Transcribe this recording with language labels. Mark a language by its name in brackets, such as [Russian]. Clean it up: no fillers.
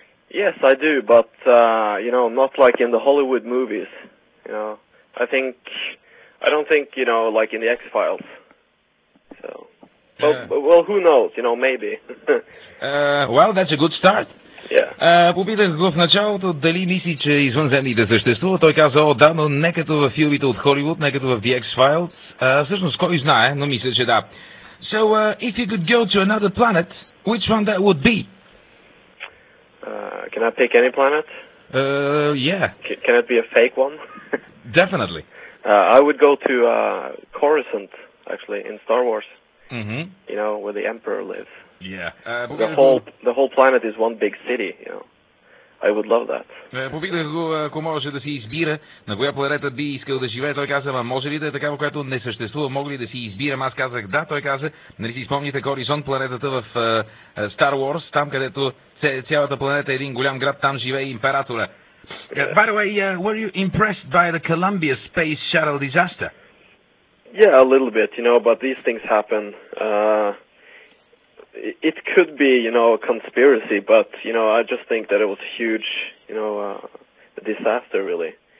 [English] Yes, I do, but, you know, not like in the Hollywood movies. You know, I don't think, you know, like in the X-Files. So, well, who knows, you know, maybe. well, that's a good start. Yeah. [Bulgarian] Попитах го в началото дали мисли, че извънземните съществуват. Той каза, о, да, но не като във филмите от Холивуд, не като в The X-Files. Всъщност, кой знае, но мисля, че да. [English] So, if you could go to another planet, which one that would be? Can I pick any planet? Yeah. Can it be a fake one? Definitely. I would go to Coruscant, actually, in Star Wars. Mm-hmm. You know, where the Emperor lives. Yeah. The whole planet is one big city, you know. I would love that. [Bulgarian] Попитах го, ако може да си избира, на коя планета би искал да живее. Той каза, може ли да е такава, която не съществува, мога ли да си избирам? Аз казах, да, той каза, нали си спомните Коризонт, планетата в Star Wars, там където цялата планета е един голям град, там живее императора. [English] Yeah. By the way, were you impressed by the Columbia Space Shuttle disaster? Yeah, a little bit, you know, but these things happen. It could be, you know, a conspiracy, but, you know, I just think that it was a huge, you know, a disaster, really.